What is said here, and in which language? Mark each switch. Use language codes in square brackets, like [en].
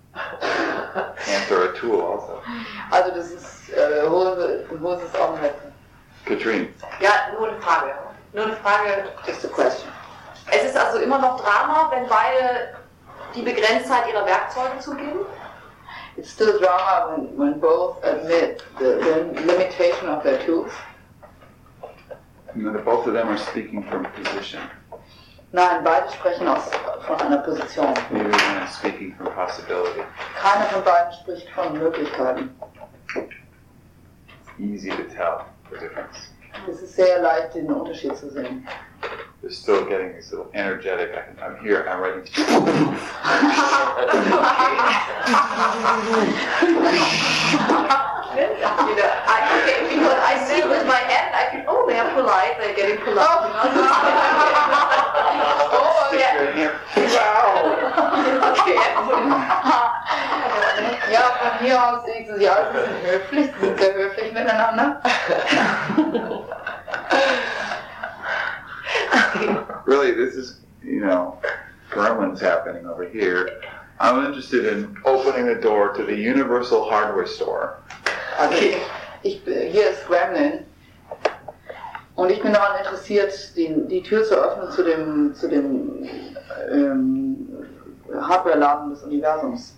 [en] Pants are a tool also. [de] Also das ist Hose ist auch ein Messer. Katrin. Ja, nur eine Frage. [en] Just a question. [de] Es ist also immer noch Drama, wenn beide die Begrenztheit ihrer Werkzeuge zugeben? [en] It's still drama when both admit the limitation of their tools. No, both of them are speaking from a position. [de] Nein, beide sprechen aus von einer Position. [en] Neither of them is speaking from possibility. [de] Keiner von beiden spricht von Möglichkeiten. [en] It's easy to tell the difference. [de] Es ist sehr leicht, den Unterschied zu sehen. [en] They're still getting this little energetic. I'm here, I'm ready. I see with my hand, I can, oh, they're polite, they're getting polite. [de] Ja, von hier aus sehen sie sich alle höflich, sie sind sehr höflich miteinander. [en] Really, this is, you know, gremlins happening over here. I'm interested in opening the door to the Universal Hardware Store. [de] Okay, hier ist Gremlin. Und ich bin daran interessiert, die Tür zu öffnen zu dem Hardware-Laden des Universums.